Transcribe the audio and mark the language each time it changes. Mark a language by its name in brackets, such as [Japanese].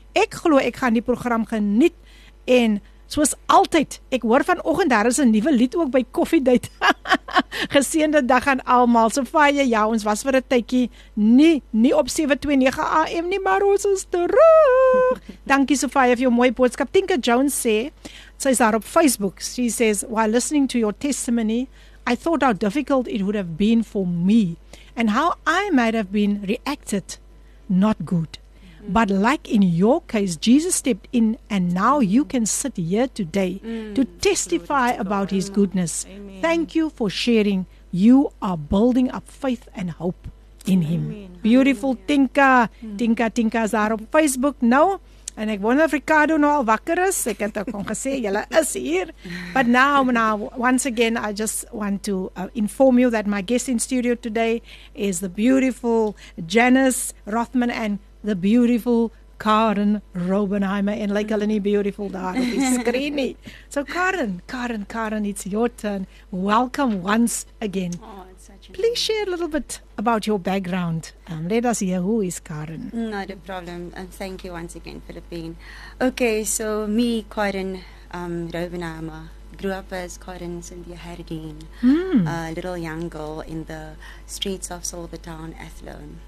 [Afrikaans] Ek glo ek gaan die program geniet en soos altyd, ek hoor vanoggend daar is 'n nuwe lied ook by Coffee Date. Geseënde dag aan almal. So fyn ja, ons was vir 'n tydjie nie op 729 AM nie, maar ons is terug. Dankie Sofia vir jou mooi boodskap. Tinka Jones sê, sy is daar op Facebook. [English] She says, while listening to your testimony, I thought how difficult it would have been for me and how I might have been reacted not good. But like in your case, Jesus stepped in and now you can sit here today to testify about his goodness. Amen. Thank you for sharing. You are building up faith and hope in him. [Afrikaans] Amen. Beautiful Tinka. Tinka, Tinka is daar op Facebook nou. En ek wonder of Ricardo nou al wakker is. Ek het ook al gesê, jylle is hier. [English] But now, once again, I just want to inform you that my guest in studio today is the beautiful Janice Rothman and the beautiful Karen Robenheimer. [Afrikaans] En like hulle nie beautiful daar op die screen nie. [English] So Karen, it's your turn. Welcome once again. Oh, please share a little bit about your background. Let us hear who is Karen. Not a problem. Thank you once again, Philippine. Okay, so me, Karen Robenheimer, grew up as Karen Cynthia Herdeen, a little young girl in the streets of Silvertown, Athlone.